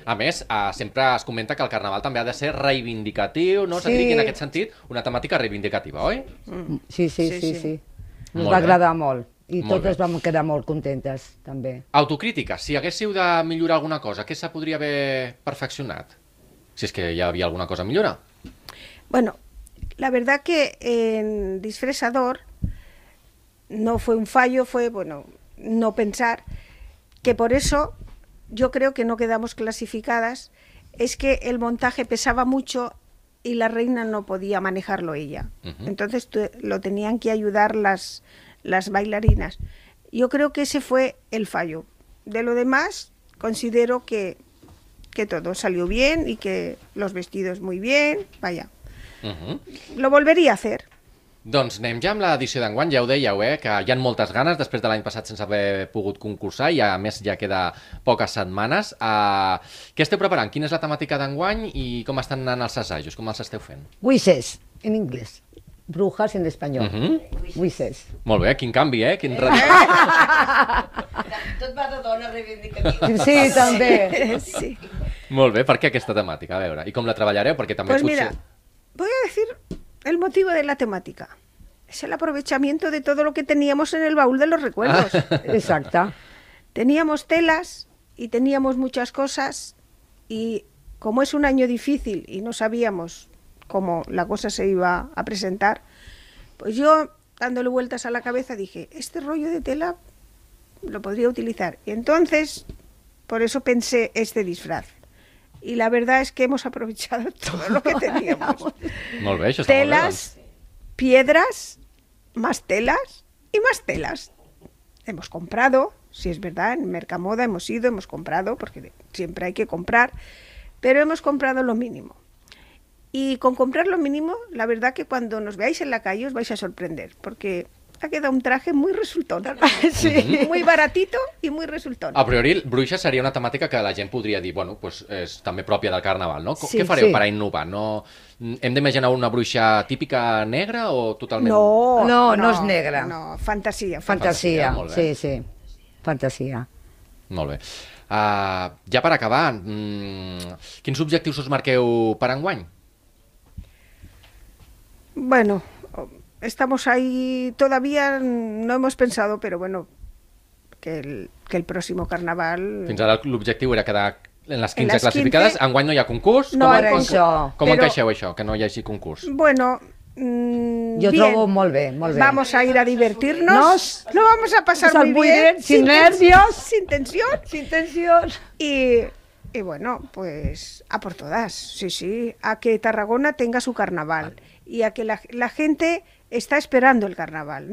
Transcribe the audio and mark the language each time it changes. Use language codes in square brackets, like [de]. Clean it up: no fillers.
[ca] A més, sempre es comenta que el carnaval també ha de ser reivindicatiu, no? Sí. En aquest sentit, una temàtica reivindicativa, oi? Sí. Ens va agradar molt. I totes vam quedar molt contentes, també. Autocrítica, si haguéssiu de millorar alguna cosa, què se podria haver perfeccionat? Si és que hi havia alguna cosa a millorar. [es] Bueno, la verdad que en Disfresador no fue un fallo, fue, bueno, no pensar, que por eso yo creo que no quedamos clasificadas, es que el montaje pesaba mucho y la reina no podía manejarlo ella. Uh-huh. Entonces lo tenían que ayudar las bailarinas. Yo creo que ese fue el fallo. De lo demás, considero que todo salió bien y que los vestidos muy bien, vaya. Uh-huh. Lo volvería a hacer. [ca] Doncs anem ja amb l'edició d'enguany, ja ho dèieu, que hi ha moltes ganes després de l'any passat sense haver pogut concursar i a més ja queda poques setmanes. Què esteu preparant? Quina és la temàtica d'enguany i com estan anant els assajos? Com els esteu fent? Wishes, en anglès. Brujas en espanyol. Uh-huh. Wishes. Molt bé, quin canvi, eh? Quin Tot va de dona reivindicativa. Sí, també. Sí. Molt bé, per què aquesta temàtica? A veure, i com la treballareu? Perquè també pues potser... [es] mira, voy a decir el motivo de la temática. Es el aprovechamiento de todo lo que teníamos en el baúl de los recuerdos. Ah. Exacta. Teníamos telas y teníamos muchas cosas y como es un año difícil y no sabíamos cómo la cosa se iba a presentar, pues yo, dándole vueltas a la cabeza, dije, este rollo de tela lo podría utilizar. Y entonces, por eso pensé este disfraz. Y la verdad es que hemos aprovechado todo lo que teníamos. Muy bien, eso está telas, piedras, más telas y más telas. Hemos comprado, si es verdad, en Mercamoda hemos comprado, porque siempre hay que comprar, pero hemos comprado lo mínimo. Y con comprar lo mínimo, la verdad que cuando nos veáis en la calle os vais a sorprender, porque ha quedado un traje muy resultón. Sí. Muy baratito y muy resultón. [ca] A priori, bruixa seria una temàtica que la gent podria dir, bueno, pues és també pròpia del carnaval, no? Sí, què fareu, sí, per a innovar? No, hem d'imaginar una bruixa típica negra o totalment... No, és negra. No, fantasia. Fantasia, sí, sí. Fantasia. Molt bé. Ja per acabar, quins objectius us marqueu per enguany? [es] Bueno, estamos ahí, todavía no hemos pensado, però bueno, que el próximo carnaval... [ca] Fins ara l'objectiu era quedar en les 15 classificades. Enguany no hi ha concurs. No, com això. Com però... encaixeu això, que no hi hagi concurs? Bueno... Jo trobo molt bé, molt bé. [es] Vamos a ir a divertirnos. No, no vamos a pasar muy bien. Sin nervios. Sin tensión. Sin tensión. Y bueno, pues a por todas. Sí, sí. A que Tarragona tenga su carnaval. Vale. Y a que la gente está esperando el carnaval.